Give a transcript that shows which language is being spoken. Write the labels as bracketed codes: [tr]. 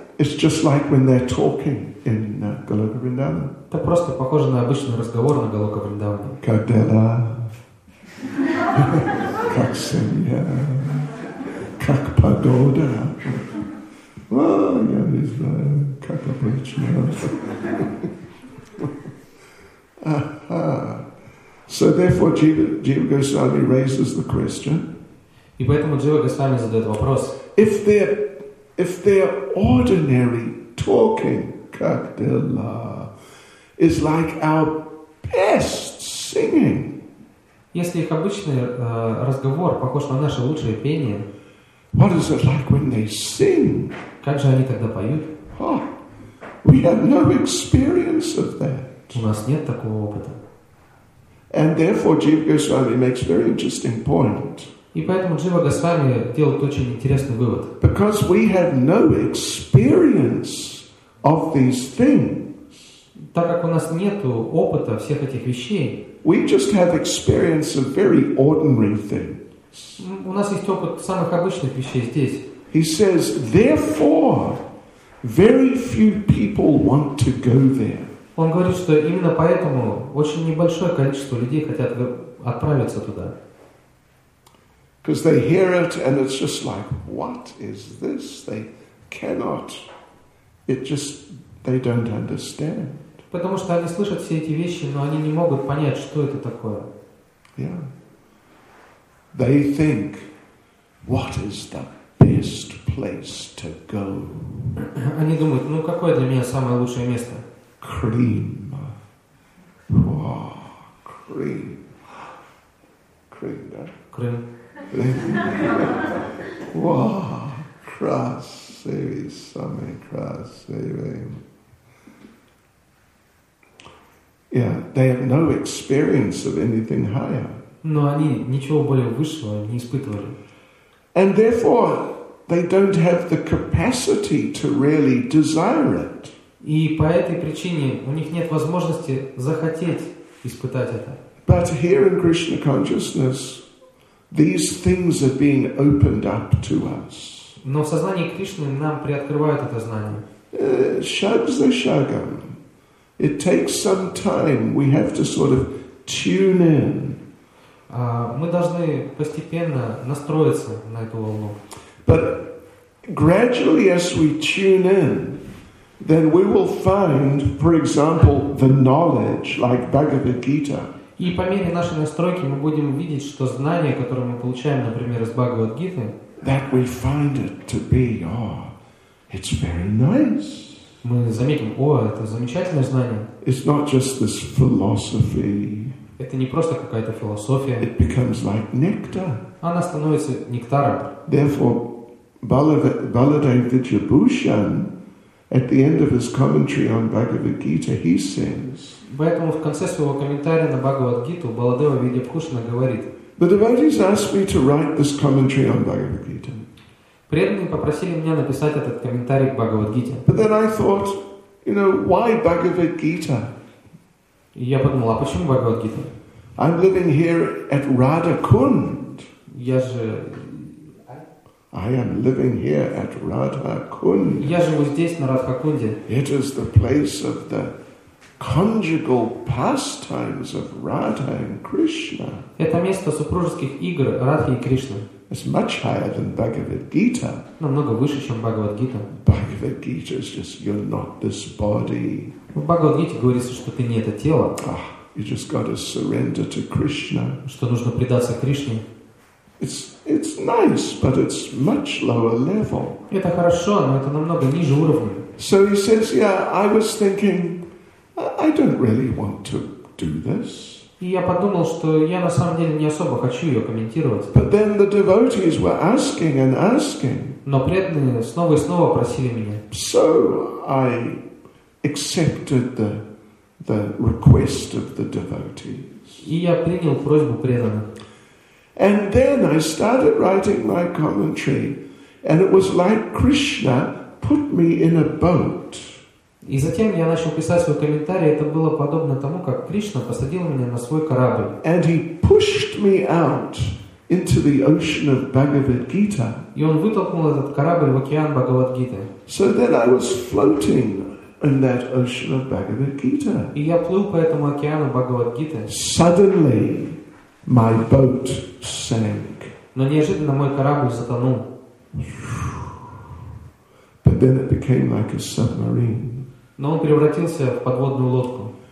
[en] It's just like when they're talking in Goloka Vrindavan. [ru] Это просто похоже на обычный разговор на Голока Вриндаване. Как дела? Как семья? Как погода? О, я не знаю, как обычно. [en] So therefore, Jiva Goswami raises the question. [ru] И поэтому Джива Госвами задает вопрос. [en] If their ordinary talking, [ru] как дела, [en] is like our best singing. [ru] Если их обычный разговор похож на наше лучшее пение. [en] What is it like when they sing? [ru] Как же они тогда поют? [en] Oh, we have no experience of that. [ru] У нас нет такого опыта. [en] And therefore, Jiva Goswami makes very interesting point. [ru] И поэтому Джива Госвами делает очень интересный вывод. [en] Because we have no experience of these things. [ru] Так как у нас нет опыта всех этих вещей. [en] We just have experience of very ordinary things. [ru] У нас есть опыт самых обычных вещей здесь. [en] He says, therefore, very few people want to go there. [ru] Он говорит, что именно поэтому очень небольшое количество людей хотят отправиться туда. [en] Because they hear it and it's just like, what is this? They cannot. It just, they don't understand. [ru] Потому что они слышат все эти вещи, но они не могут понять, что это такое. [en] Yeah. They think, what is the best place to go? [ru] Они думают, ну какое для меня самое лучшее место? [en] Cream. Wow, cream. Cream, да? Cream. Wow, [ru] красивый, самый красивый. [en] Yeah, they have no experience of anything higher. [ru] Но они ничего более высшего не испытывали. [en] And therefore, they don't have the capacity to really desire it. [ru] И по этой причине у них нет возможности захотеть испытать это. [en] But here in Krishna consciousness, these things are being opened up to us. [ru] Но в сознании Кришны нам приоткрывают это знание. Shag za shagam. [en] It takes some time. We have to sort of tune in. [ru] Мы должны постепенно настроиться на эту волну. [en] But gradually as we tune in, then we will find, for example, the knowledge, like Bhagavad Gita. [ru] И по мере нашей настройки мы будем видеть, что знание, которое мы получаем, например, из Бхагавад Гиты, [en] that we find it to be, oh, it's very nice. [ru] Мы заметим, о, это замечательное знание. [en] It's not just this philosophy. [ru] Это не просто какая-то философия. [en] It becomes like nectar. [ru] Она становится нектаром. [en] Therefore, Baladev Vidyabhushan, at the end of his commentary on Bhagavad Gita, he says. [ru] Поэтому в конце своего комментария на Бхагавад Гиту Баладева Видьябхушана говорит. [en] The devotees asked me to write this commentary on Bhagavad Gita. [ru] Преданные попросили меня написать этот комментарий к Бхагавад Гите. [en] But then I thought, you know, why Bhagavad Gita? [ru] И я подумал, а почему Бхагавад Гита? [en] I'm living here at Radhakund. [ru] Я же. [en] I am living here at Radhakund. [ru] Я живу здесь на Радхакунде. [en] It is the place of the conjugal pastimes of Radha and Krishna. [ru] Это место супружеских игр Радхи и Кришны. [en] It's much higher than Bhagavad Gita. [ru] Намного выше, чем Бхагавад Гита. [en] Bhagavad Gita is just you're not this body. [ru] В Бхагавад Гите говорится, что ты не это тело. [en] Ah, you just got to surrender to Krishna. [ru] Что нужно предаться Кришне. [en] It's nice, but it's much lower level. [ru] Это хорошо, но это намного ниже уровня. [en] So he says, yeah, I was thinking, I don't really want to do this. [ru] И я подумал, что я на самом деле не особо хочу ее комментировать. [en] But then the devotees were asking and asking. [ru] Но преданные снова и снова просили меня. [en] So I accepted the request of the devotees. [ru] И я принял просьбу преданных. [en] And then I started writing my commentary, and it was like Krishna put me in a boat. [ru] И затем я начал писать свой комментарий, это было подобно тому, как Кришна посадил меня на свой корабль. [en] And he pushed me out into the ocean of Bhagavad Gita. [ru] И он вытолкнул этот корабль в океан Бхагавад Гиты. [en] So then I was floating in that ocean of Bhagavad Gita. [ru] И я плыл по этому океану Бхагавад Гиты. [en] Suddenly, my boat sank. [ru] Но неожиданно мой корабль затонул. [en] But then it became like a submarine. [ru] Но он превратился в подводную лодку.